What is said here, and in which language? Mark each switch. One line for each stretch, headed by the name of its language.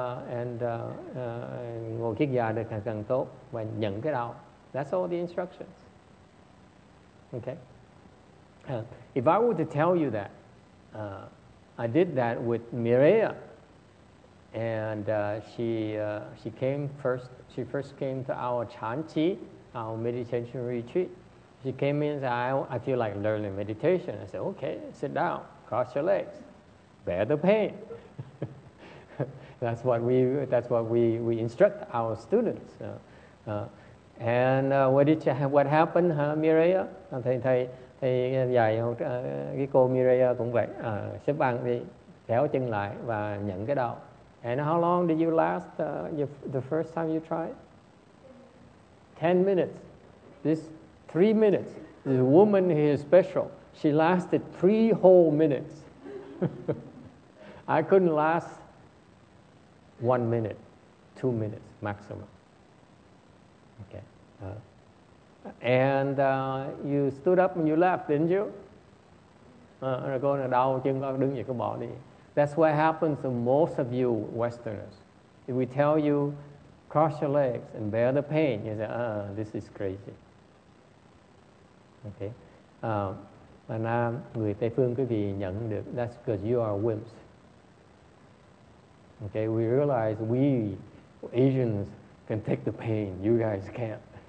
Vietnamese: And ngồi kiết già được càng càng tốt và nhận cái đau.
English: That's all the instructions. Okay? If I were to tell you that, I did that with Mireya, and she came first. She first came to our Chanqi, our meditation retreat. She came in and said, I feel like learning meditation. I said, okay, sit down, cross your legs, bear the pain. That's what we instruct our students. What happened, huh, Mireya?
Vietnamese: Thầy dạy cái cô Mireya cũng vậy, xếp bằng đi, kéo chân lại và nhận cái đau.
English: And how long did you last the first time you tried? 10 minutes. This 3 minutes. This woman here is special. She lasted 3 whole minutes. I couldn't last 1 minute, 2 minutes maximum. Okay. And you stood up and you left, didn't you?
Vietnamese: Rồi cô nói đau chân con đứng dậy cô bỏ đi.
English: That's what happens to most of you Westerners. If we tell you, cross your legs and bear the pain, you say, this is crazy. Okay.
Vietnamese: Mà Nam, người Tây Phương quý vị nhận được,
English: that's because you are wimps. Okay, we realize we Asians can take the pain, you guys can't.